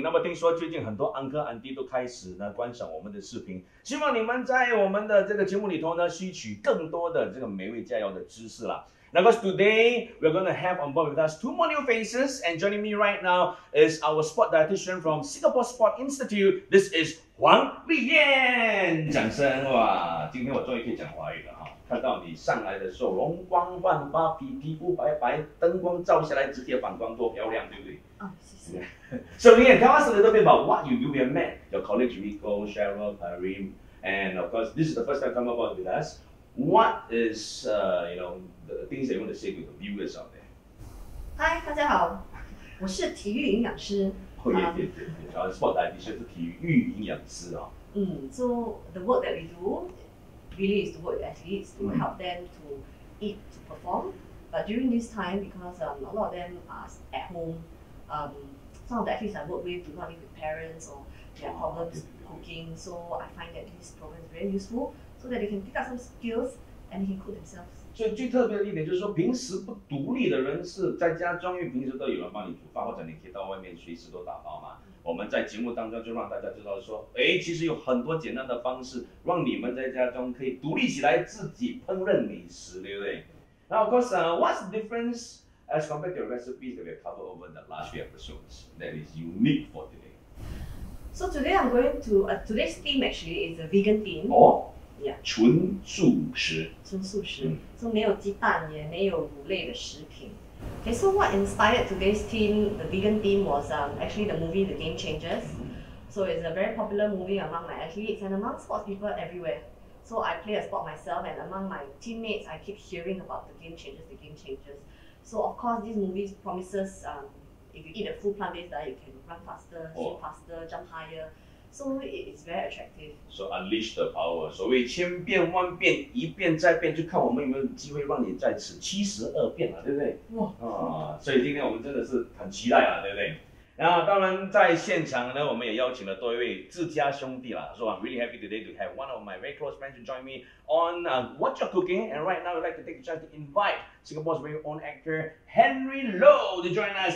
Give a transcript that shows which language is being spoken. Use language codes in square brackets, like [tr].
[zh] 那么听说最近很多安哥安弟都开始呢观赏我们的视频，希望你们在我们的这个节目里头呢吸取更多的这个美味佳肴的知识啦。 [en] Now, because today we're going to have on board with us two more new faces, and joining me right now is our sport dietitian from Singapore Sport Institute. This is Huang Liyan. 掌声哇！ [zh] 今天我终于可以讲华语了哈。看到你上来的时候，容光焕发，皮肤白白，灯光照下来直接反光，多漂亮，对不对？哦，谢谢。 [en] So, Liyan, tell us a little bit about what you do here, Matt. Your colleagues Rico, Cheryl, Karim, and of course, this is the first time come aboard with us. What is, the things that you want to say with the viewers out there? [zh] Hi, 大家好，我是体育营养师。哦，对对对，然后 sport dietitian 是体育营养师哦。 [en] So the work that we do really is to work with athletes to help them to eat, to perform. But during this time, because a lot of them are at home, some of the athletes I work with do not live with parents or they have problems cooking. So I find that this program is very useful. So that they can pick up some skills and they can cook themselves. [zh] 所以最特别的一点就是说，平时不独立的人是在家中，因为平时都有人帮你煮饭，或者你可以到外面随时都打包嘛。我们在节目当中就让大家知道说，哎，其实有很多简单的方式让你们在家中可以独立起来自己烹饪美食，对不对？ [en] 那of course, what's the difference as compared to your recipes that we have covered over the last few episodes that is unique for today? So today I'm going to today's theme actually is a vegan theme. [zh] Oh. 纯素食，纯素食，就没有鸡蛋，也没有乳类的食品。 [en] Okay, so what inspired today's theme, the vegan theme, was actually the movie The Game Changers. So it's a very popular movie among my athletes and among sports people everywhere. So I play a sport myself, and among my teammates, I keep hearing about The Game Changers, The Game Changers. So of course, this movie promises if you eat a full plant-based diet, you can run faster, swim faster, jump higher. So it is very attractive. So unleash the power. [zh] 所谓千变万变，一变再变，就看我们有没有机会让你再吃72遍了，对不对？哇！所以今天我们真的是很期待啊，对不对？那当然在现场呢，我们也邀请了多一位自家兄弟啦。 [en] So I'm really happy today to have one of my very close friends to join me on Wot'cha Cooking. And right now, I'd like to take the chance to invite Singapore's very own actor Hanrey to join us.